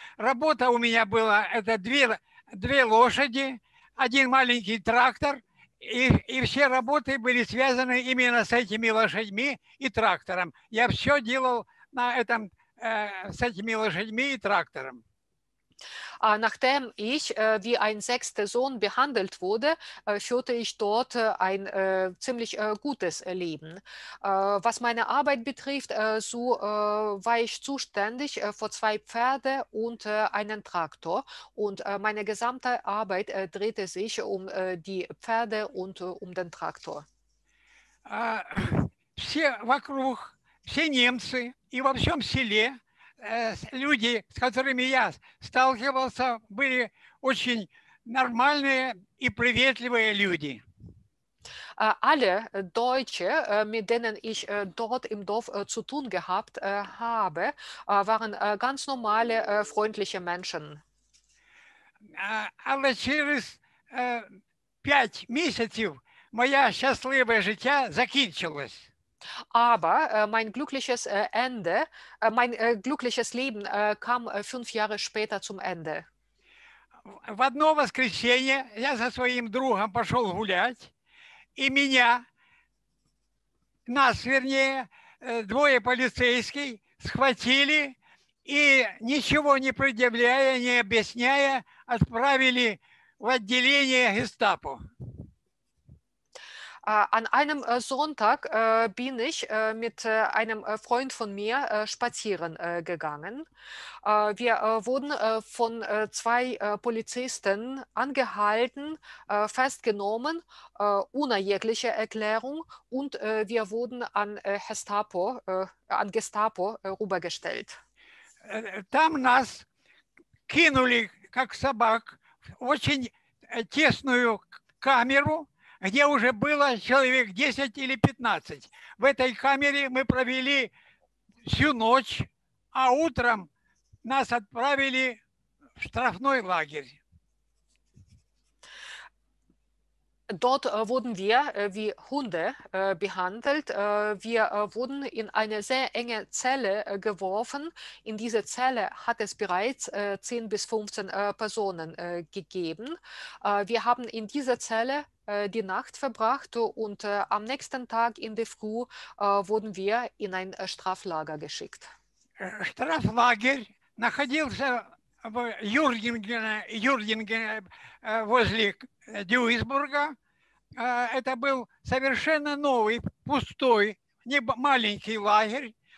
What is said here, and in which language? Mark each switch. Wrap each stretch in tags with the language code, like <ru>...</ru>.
<ru>Работа у меня была, это две лошади, один маленький трактор, и все работы были связаны именно с этими лошадьми и трактором. Я все делал на этом, с этими лошадьми и трактором.</ru> <de>Nachdem ich wie ein sechster Sohn behandelt wurde, führte ich dort ein ziemlich gutes Leben. Was meine Arbeit betrifft, so war ich zuständig für zwei Pferde und einen Traktor. Und meine gesamte Arbeit drehte sich um die Pferde und um den Traktor.</de> <ru>Все вокруг, все немцы и во всем селе. Люди, с которыми я сталкивался, были очень нормальные и приветливые люди.</ru> <de>Alle Deutsche, mit denen ich dort im Dorf zu tun gehabt habe, waren ganz normale, freundliche Menschen. Aber</de> <ru>через пять месяцев моя счастливая жизнь закончилась.</ru> <de>Aber mein glückliches Ende, mein glückliches Leben kam fünf Jahre später zum Ende.</de> <ru>В одно воскресенье я со своим другом пошел гулять, и меня, нас вернее, двое полицейских схватили и, ничего не предъявляя, не объясняя, отправили в отделение гестапо.</ru> <de>An einem Sonntag bin ich mit einem Freund von mir spazieren gegangen. Wir wurden von zwei Polizisten angehalten, festgenommen, ohne jegliche Erklärung, und wir wurden an Gestapo, an Gestapo rübergestellt.</de> <ru>Там нас кинули, как собак, в очень тесную камеру, где уже было человек 10 или 15. В этой камере мы провели всю ночь, а утром нас отправили в штрафной лагерь.</ru> <de>Dort wurden wir wie Hunde behandelt. Wir wurden in eine sehr enge Zelle geworfen. In dieser Zelle hat es bereits 10 bis 15 Personen gegeben. Wir haben in dieser Zelle die Nacht verbracht und am nächsten Tag in der Früh wurden wir in ein Straflager geschickt.</de> <ru>Straflager находился в Юргенгене возле Дюйсбурга. Это был совершенно новый, пустой, не маленький лагерь.</ru>